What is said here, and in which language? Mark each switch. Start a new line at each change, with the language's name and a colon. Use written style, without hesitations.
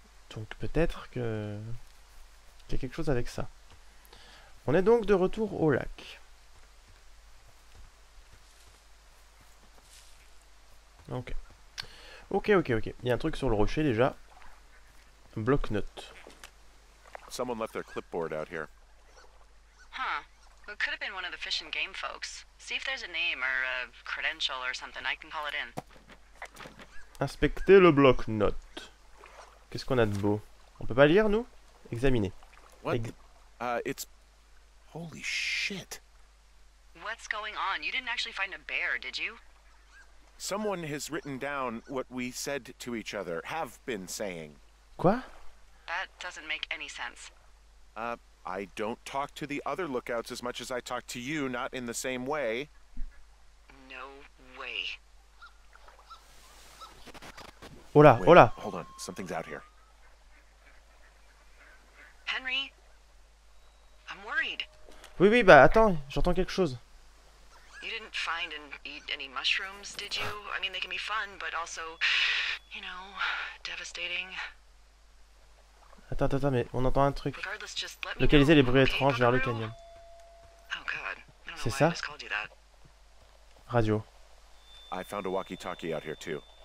French: Donc peut-être que... qu'il y a quelque chose avec ça. On est donc de retour au lac. Ok. Ok, ok, ok. Il y a un truc sur le rocher déjà. Bloc-notes.
English: Someone left their clipboard out here. It could have been one of the fish and game folks. See if there's a name or a credential or something. I can call it in.
French: Inspecter le bloc-notes. Qu'est-ce qu'on a de beau? On peut pas lire, nous? Examiner.
English: What? It's... Holy shit. What's going on? You didn't actually find a bear, did you? Someone has written down what we said to each other, have been saying.
French: Quoi?
English: That doesn't make any sense. I don't talk to the other lookouts as much as I talk to you, not in the same way. No way. Hola, wait, hola. Hold on, something's out here. Henry, I'm worried.
French: Oui, oui, bah attends, j'entends quelque chose.
English: You didn't find and eat any mushrooms, did you? I mean, they can be fun, but also, you know, devastating.
French: Attends, attends, mais on entend un truc. Localiser les bruits étranges vers le canyon. C'est ça? Radio.
English: I found a walkie-talkie out here too.